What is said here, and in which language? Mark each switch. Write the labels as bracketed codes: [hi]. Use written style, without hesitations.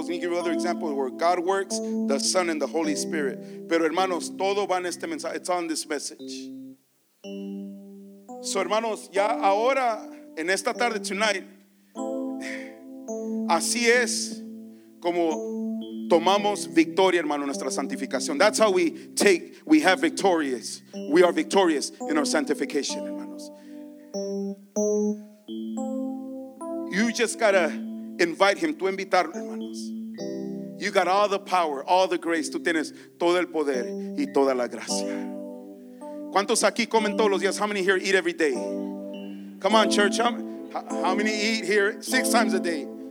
[en] Let me give you another example where God works, the Son and the Holy Spirit. [es] Pero hermanos, todo va en este mensaje. [en] It's on this message. [es] So, hermanos, ya ahora, en esta tarde, [en] tonight, [es] así es como tomamos victoria, hermano, nuestra santificación. [en] That's how we are victorious in our sanctification, hermanos. You just gotta invite him, [es] tú invitarlo, [en] hermanos. You got all the power, all the grace. [es] Tú tienes todo el poder y toda la gracia. ¿Cuántos aquí comen todos los días? [en] How many here eat every day? Come on, church. How many eat here 6 times a day?